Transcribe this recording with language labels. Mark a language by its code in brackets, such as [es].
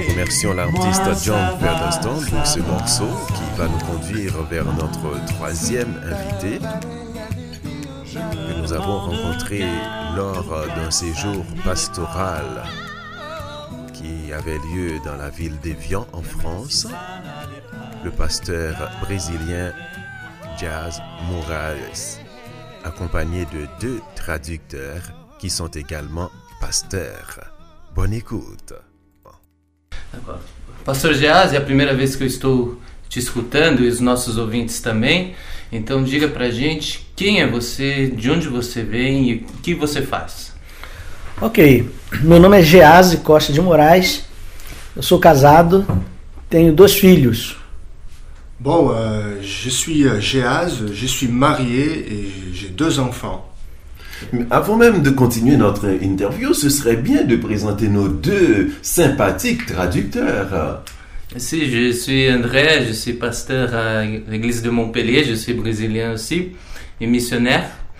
[fr] remercions l'artiste John Featherston pour ce morceau qui va nous conduire vers notre troisième invité que nous avons rencontré lors d'un séjour pastoral qui avait lieu dans la ville d'Évian en France, le pasteur brésilien Jazz Morales, accompagné de deux traducteurs qui sont également pasteurs. Bonne écoute. [pt] Pastor Jazz, é a primeira vez que eu estou te escutando e os nossos ouvintes também. Então diga pra gente quem é você, de onde você vem e o que você faz. Ok, meu nome é Jazz Costa de Moraes, eu sou casado, tenho dois filhos. [fr] Bom, je suis Jazz, je suis marié et j'ai deux enfants. Avant même de continuer notre interview, ce serait bien de présenter nos deux sympathiques traducteurs. Si, je suis André, je suis pasteur à l'église de Montpellier, je suis brésilien aussi et missionnaire.